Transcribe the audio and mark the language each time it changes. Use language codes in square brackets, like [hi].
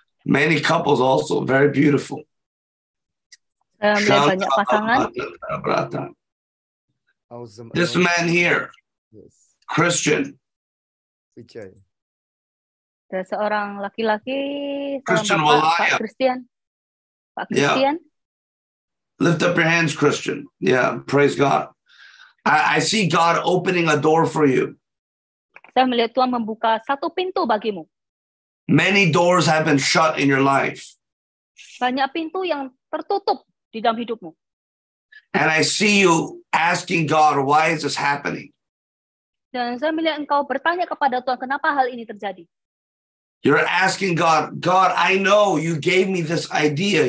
[en] Many couples also, very beautiful. This man here, Christian. Okay. [id] Ada seorang laki-laki, Christian Walaya. Pak Christian. [en] Yeah. Lift up your hands, Christian. Yeah, praise God. I see God opening a door for you. [id] Saya melihat Tuhan membuka satu pintu bagimu. [en] Many doors have been shut in your life. [id] Banyak pintu yang tertutup di dalam hidupmu. [en] And I see you asking God, why is this happening? [id] Dan saya melihat engkau bertanya kepada Tuhan, kenapa hal ini terjadi? [en] You're asking God, God, I know you gave me this idea.